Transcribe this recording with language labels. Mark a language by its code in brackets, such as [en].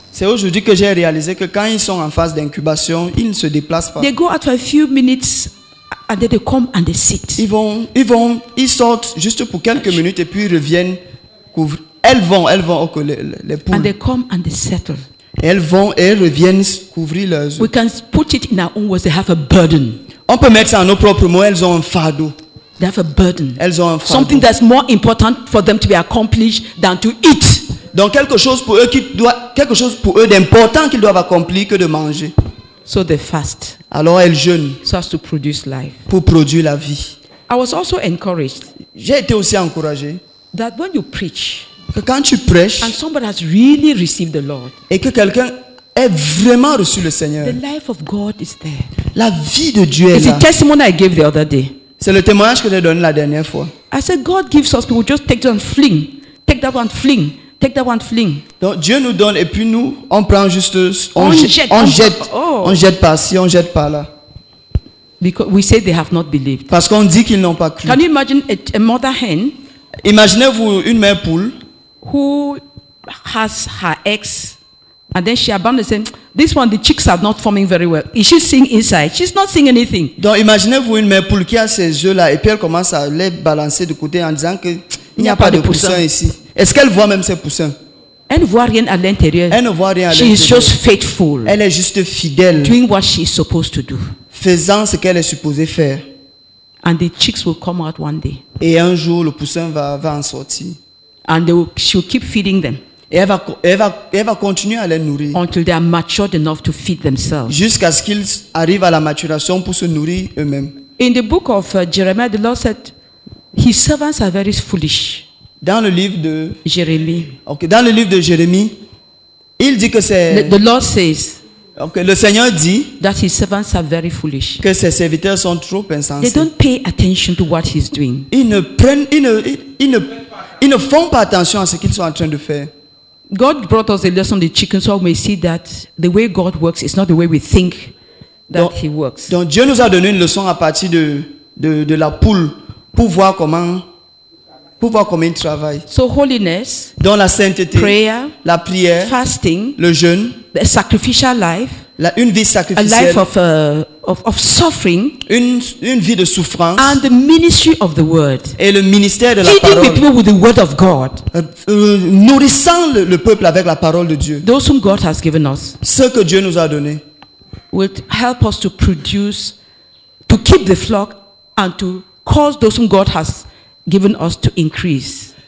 [fr] C'est aujourd'hui que j'ai réalisé que quand ils sont en phase d'incubation, ils ne se déplacent pas. [en] They go out for a few minutes and then they come and they sit. [fr] Ils sortent juste pour quelques minutes et puis ils reviennent couvrir. Elles vont au les poules. [en] And they come and they settle. [fr] Elles reviennent couvrir leurs [en] œufs. We can put it in our own words, they have a burden. [fr] On peut mettre ça en nos propres mots, elles ont un fardeau. [en] They have a burden. [fr] Elles ont un fardeau. [en] Something that's more important for them to be accomplished than to eat. [fr] Donc quelque chose pour eux d'important qu'ils doivent accomplir que de manger. [en] So they fast. [fr] Alors elles jeûnent. [en] So as to produce life. [fr] Pour produire la vie. [en] I was also encouraged. [fr] J'ai été aussi encouragé. [en] That when you preach. [fr] Que quand tu prêches. [en] And somebody has really received the Lord. [fr] Et que quelqu'un est vraiment reçu le Seigneur. [en] The life of God is there. [fr] La vie de Dieu est là. [en] It's the testimony I gave the other day. [fr] C'est le témoignage que j'ai donné la dernière fois. [en] I said God gives us people, just take that and fling. Take that one, fling. Take that one, fling. [fr] Donc Dieu nous donne et puis nous on prend juste on jette par-ci, on jette par-là. [en] Because we say they have not believed. [fr] Parce qu'on dit qu'ils n'ont pas cru. [en] Can you imagine a mother hen? [fr] Imaginez-vous une mère poule [en] who has her eggs and then she abandons them. This one, the chicks are not forming very well. Is she seeing inside? She's not seeing anything. [fr] Donc imaginez-vous une mère poule qui a ses œufs là et puis elle commence à les balancer de côté en disant que il n'y a pas de poussins ici. Est-ce qu'elle voit même ses poussins? Elle ne voit rien à l'intérieur. Elle ne voit rien à [en] she [fr] l'intérieur. [en] She is just faithful. [fr] Elle est juste fidèle. [en] Doing what she is supposed to do. [fr] Faisant ce qu'elle est supposée faire. [en] And the chicks will come out one day. [fr] Et un jour, le poussin va en sortir. [en] And she will keep feeding them. [fr] Et elle va continuer à les nourrir. [en] Until they are matured enough to feed themselves. [fr] Jusqu'à ce qu'ils arrivent à la maturation pour se nourrir eux-mêmes. [en] In the book of Jeremiah, the Lord said, His servants are very foolish. [fr] Dans le livre de Jérémie. Okay, dans le livre de Jérémie, il dit que c'est. [en] The Lord says. [fr] Okay, le Seigneur dit [en] that his servants are very foolish. [fr] Que ses serviteurs sont trop insensés. [en] They don't pay attention to what he's doing. [fr] Ils ne font pas attention à ce qu'ils sont en train de faire. [en] God brought us a lesson the chicken so we may see that the way God works is not the way we think that [fr] donc, [en] he works. [fr] Donc Dieu nous a donné une leçon à partir de la poule pour voir comment il travaille. [en] So holiness, [fr] dans la sainteté, [en] prayer, [fr] la prière, [en] fasting, [fr] le jeûne, [en] the sacrificial life, [fr] une vie sacrificielle, [en] a life of suffering, [fr] une vie de souffrance, [en] and the ministry of the word, [fr] et le ministère de la [en] feeding [fr] parole, [en] people with the word of God, [fr] nourrissant le peuple avec la parole de Dieu, [en] those whom God has given us, [fr] ce que Dieu nous a donné, [en] will help us to produce, to keep the flock, and to cause those whom God has given us to increase.